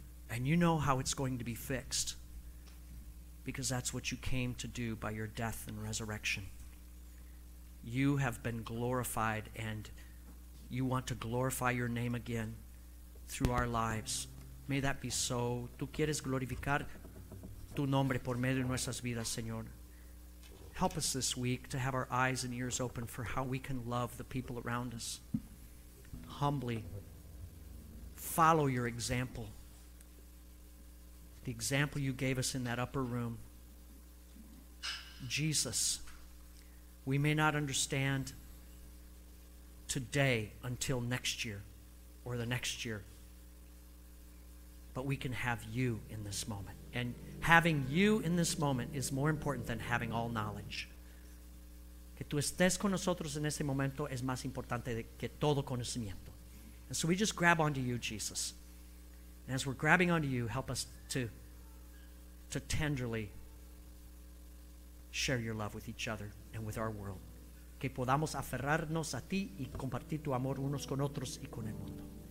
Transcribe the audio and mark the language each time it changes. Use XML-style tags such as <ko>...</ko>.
<en>And you know how it's going to be fixed, because that's what you came to do by your death and resurrection. You have been glorified, and you want to glorify your name again through our lives. May that be so.</en> <es>Tú quieres glorificar tu nombre por medio de nuestras vidas, Señor.</es> <en>Help us this week to have our eyes and ears open for how we can love the people around us. Humbly follow your example. The example you gave us in that upper room. Jesus, we may not understand today until next year or the next year, but we can have you in this moment. And having you in this moment is more important than having all knowledge.</en> <es>Que tú estés con nosotros en este momento es más importante que todo conocimiento.</es> <en>And so we just grab onto you, Jesus. And as we're grabbing onto you, help us to tenderly share your love with each other and with our world.</en> <es>Que podamos aferrarnos a ti y compartir tu amor unos con otros y con el mundo.</es>